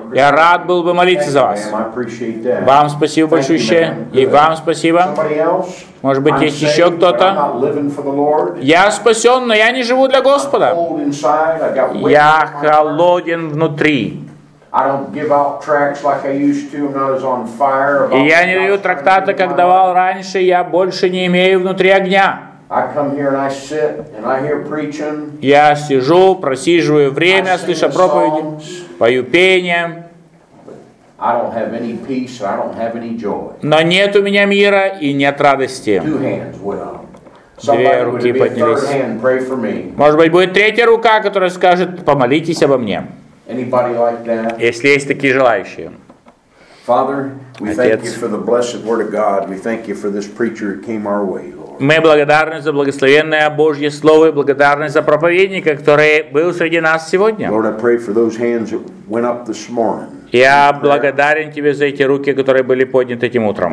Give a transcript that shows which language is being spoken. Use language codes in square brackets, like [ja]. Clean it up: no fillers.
[ru] Я рад был бы молиться за вас. Вам спасибо большое. И вам спасибо. Может быть, есть еще кто-то. Я спасен, но я не живу для Господа. Я холоден внутри. [en] I don't give out tracts like I used to. I'm not as on fire. [ru] И я не даю трактаты, как давал раньше. Я больше не имею внутри огня. [en] I come here and I sit and I hear preaching. [ru] Я сижу, просиживаю время, слышу проповеди, пою пение. [en] I don't have any peace. I don't have any joy. [ru] Но нет у меня мира и нет радости. [en] Two hands went up. [ru] Две руки поднялись. [en] Hand, pray for me. [ru] Может быть, будет третья рука, которая скажет: помолитесь обо мне. [en] Anybody like that? [ru] Если есть такие желающие. [en] Father, we thank you for the blessed word of God. We thank you for this preacher who came our way, Lord. [ru] Мы благодарны за благословенное Божье слово и благодарны за проповедника, который был среди нас сегодня. [en] Lord, I pray for those hands that went up this morning. [ru] Я благодарен тебе за эти руки, которые были подняты этим утром.